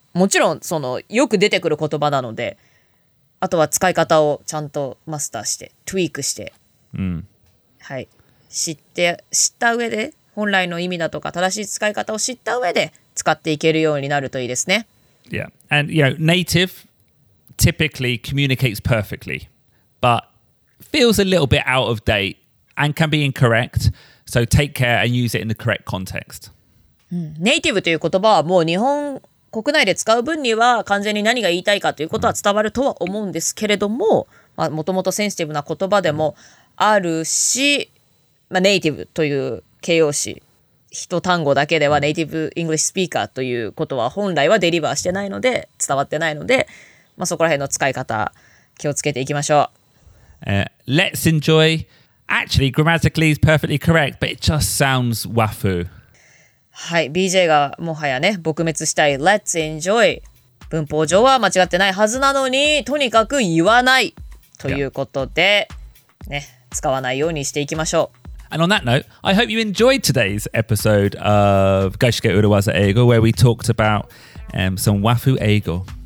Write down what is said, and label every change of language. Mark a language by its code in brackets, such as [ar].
[ja] もちろんそのよく出てくる言葉なので、あとは使い方をちゃんとマスターして、tweak して、うん、はい、知った上で本来の意味だとか正しい使い方を知った上で使っていけるようになるといいですね。 [en] Yeah, and you know, native typically communicates perfectly, but feels a little bit out of date and can be incorrect. So take care and use it in the correct context. [ja] ネイティブという言葉はもう日本国内で使う分には完全に何が言いたいかということは伝わるとは思うんですけれども、まあ、もともとセンシティブな言葉でもあるし、まあ、ネイティブという形容詞一単語だけではネイティブイングリッシュスピーカーということは本来はデリバーしてないので伝わってないので、まあ、そこら辺の使い方気をつけていきましょう。 [en] Let's enjoy. Actually, grammatically is perfectly correct, but it just sounds wafu. [ja] はい、BJ がもはやね、撲滅したい [en] Let's enjoy。 [ja] 文法上は間違ってないはずなのに、とにかく言わないということで、ね、使わないようにしていきましょう。 [en] And on that note, I hope you enjoyed today's episode of Gaishike Urawaza Eigo, where we talked about some wafu eigo.